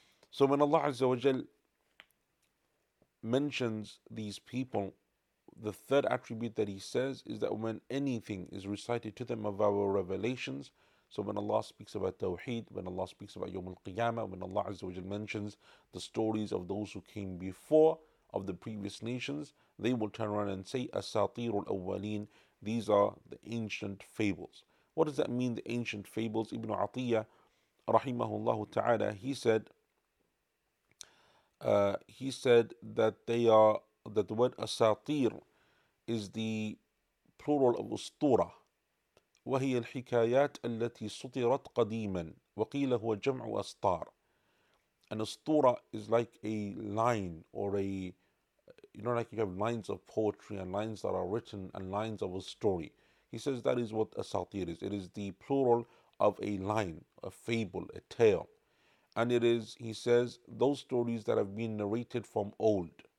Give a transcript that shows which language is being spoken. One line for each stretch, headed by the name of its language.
English: So when Allah Azza wa Jal mentions these people, the third attribute that he says is that when anything is recited to them of our revelations, so when Allah speaks about Tawheed, when Allah speaks about Yawm al-Qiyamah, when Allah Azza wa Jal mentions the stories of those who came before, of the previous nations, they will turn around and say, Asatir al-Awwaleen, these are the ancient fables. What does that mean, the ancient fables? Ibn Atiyah, rahimahullah ta'ala, he said that they are, that the word asatir is the plural of ustura.
Arabic: وهي الحكايات التي سطرت قديما وقيل هو جمع أسطار.
English: An ustura is like a line, or a, you know, like you have lines of poetry and lines that are written and lines of a story. He says that is what asatir is. It is the plural of a line, a fable, a tale. And it is, he says, those stories that have been narrated from old.